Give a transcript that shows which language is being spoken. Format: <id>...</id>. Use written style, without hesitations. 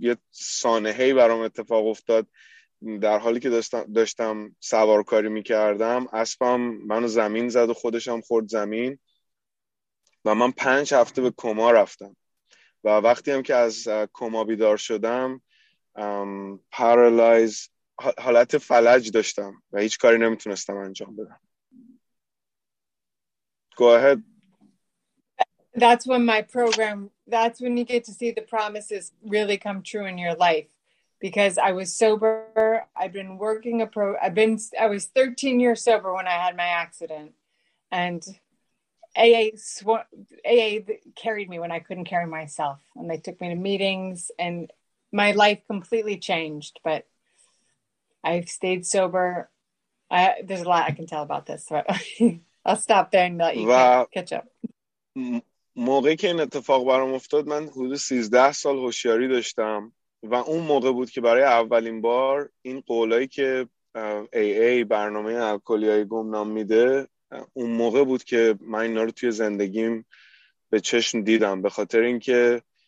<fa>سانحه‌ای برام اتفاق افتاد در حالی که داشتم سوارکاری میکردم، اسبم منو زمین زد و خودشم خورد زمین و من 5 هفته به کما رفتم و وقتی هم که از کما بیدار شدم پارالایز، حالت فلج داشتم و هیچ کاری نمیتونستم انجام بدم.</fa> <en>Go ahead. That's when you get to see the promises really come true in your life, because I was sober. I was 13 years sober when I had my accident, and AA carried me when I couldn't carry myself, and they took me to meetings and my life completely changed, but I've stayed sober. There's a lot I can tell about this, but I'll stop there and let you catch up.</en> <fa>موقعی که این اتفاق برام افتاد من حدود 13 سال هوشیاری داشتم و اون موقع بود که برای اولین بار این قولایی که AA برنامه الکلی‌های گمنام میده، اون موقع بود که من اینا رو توی زندگیم به چشم دیدم، به خاطر اینکه</fa>